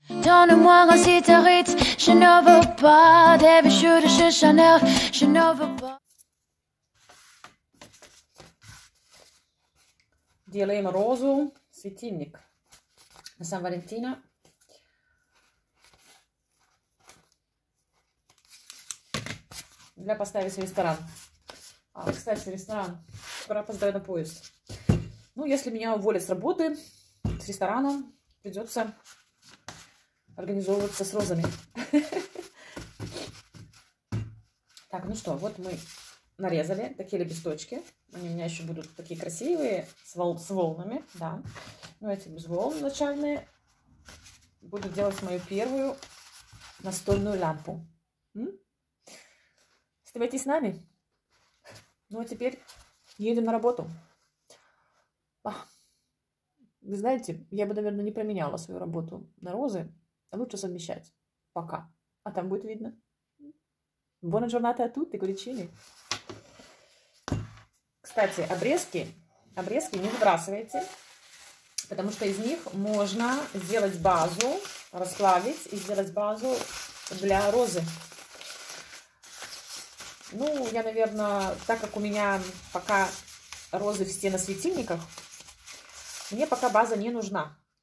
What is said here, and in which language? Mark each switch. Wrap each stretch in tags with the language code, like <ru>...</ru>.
<fr>Donne-moi un sitarite, je ne veux pas des bijoux de chez Chanel, je ne veux pas.</fr> <ru>Делаем розу, светильник. На Сан-Валентина. Для поставить в ресторан. А, кстати, ресторан. Пора поздравить на поезд. Ну, если меня уволят с работы, с ресторана, придется организовываться с розами. Так, ну что, вот мы нарезали такие лепесточки. Они у меня еще будут такие красивые, с волнами, да. Ну, эти без волн начальные. Буду делать мою первую настольную лампу. Оставайтесь с нами. Ну, а теперь едем на работу. Вы знаете, я бы, наверное, не променяла свою работу на розы. Лучше совмещать. Пока. А там будет видно.</ru> <it>Buona giornata a tutti, curicini.</it> <ru>Кстати, обрезки не выбрасывайте, потому что из них можно сделать базу, расплавить и сделать базу для розы. Ну, я, наверное, так как у меня пока розы все на светильниках, мне пока база не нужна.</ru>